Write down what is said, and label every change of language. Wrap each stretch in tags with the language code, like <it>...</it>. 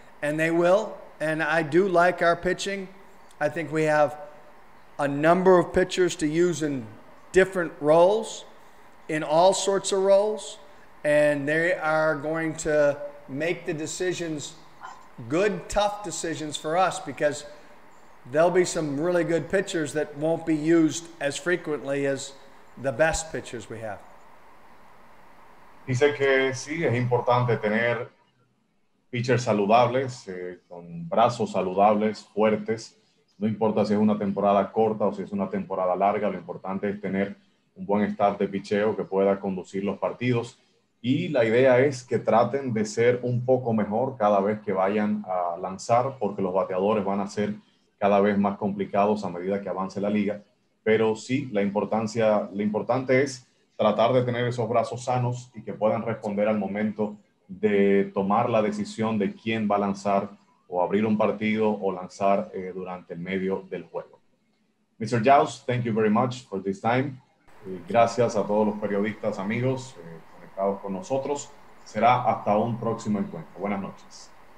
<en>And they will, and I do like our pitching. I think we have a number of pitchers to use in different roles, in all sorts of roles, and they are going to make the decisions, good, tough decisions for us, because there'll be some really good pitchers that won't be used as frequently as the best pitchers we have.</en> <es>Dice que sí, es importante tener pitchers saludables, con brazos saludables, fuertes. No importa si es una temporada corta o si es una temporada larga, lo importante es tener un buen staff de pitcheo que pueda conducir los partidos. Y la idea es que traten de ser un poco mejor cada vez que vayan a lanzar, porque los bateadores van a ser cada vez más complicados a medida que avance la liga. Pero sí, lo importante es tratar de tener esos brazos sanos y que puedan responder al momento de tomar la decisión de quién va a lanzar o abrir un partido o lanzar durante el medio del juego.</es> <en>Mr. Jaws, thank you very much for this time.</en> <es>Gracias a todos los periodistas, amigos, conectados con nosotros. Será hasta un próximo encuentro. Buenas noches.</es>